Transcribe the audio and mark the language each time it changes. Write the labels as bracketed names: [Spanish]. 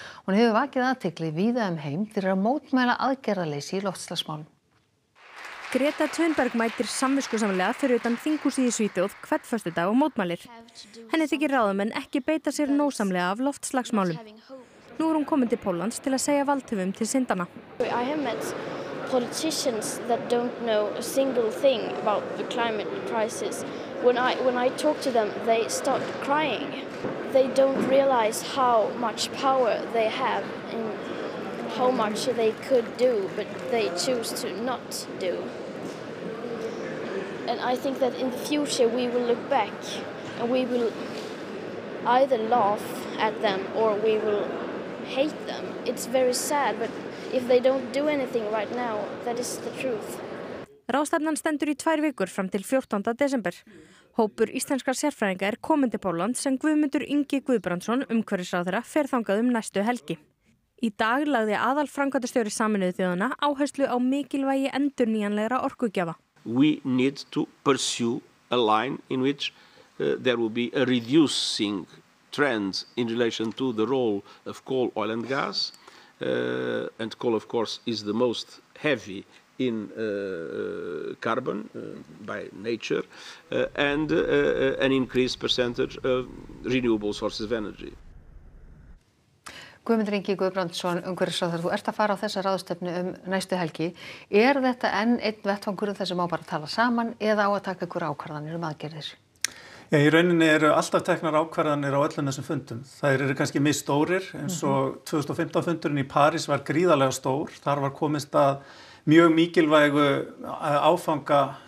[Icelandic] Hún hefur vakið athygli víða heim fyrir að mótmæla aðgerðaleysi í loftslagsmálum. Greta Thunberg mætir samviskusamlega fyrir utan þinghúsið í Svíþjóð hvert föstudag og mótmælir. Henni þykir ráðamenn ekki beita sér nósamlega af loftslagsmálum. Nú hún komin til Póllands til að segja valdhöfum til syndanna. [English] I have met politicians that don't know a single thing about the climate crisis. When I talk to them, they start crying. They don't realize how much power they have and how much they could do, but they choose to not do. And I think that in the future we will look back and we will either laugh at them or we will hate them. It's very sad, but if they don't do anything right now, that is the truth. [Icelandic] Ráðstefnan stendur í tvær vikur fram til 14. desember. Hópur íslenskra sérfræðinga kominn til Póllands sem Guðmundur Ingi Guðbrandsson umhverfisráðherra fer þangað næstu helgi. Í dag lagði aðalframkvæmdastjóri Sameinuðu þjóðanna áherslu á mikilvægi endurnýjanlegra orkugjafa. [English] We need to pursue a line in which there will be a reducing trends in relation to the role of coal, oil and gas, and coal of course is the most heavy in carbon by nature, and an increased percentage of renewable sources of energy. [Icelandic] Guðmundur Ingi Guðbrandsson, umhverfisráðherra, þú ert að fara á þessa ráðstefnu næstu helgi. Er þetta enn einn vettvangur þar sem má bara tala saman eða á að taka ykkur ákvarðanir aðgerðir? Ja, í rauninni eru alltaf teknar ákvarðanir á öllum þessum fundum. Þær eru kannski mjög stórir eins og 2015 fundurinn í París var gríðarlega stór. Þar var komist að mjög mikilvægu áfanga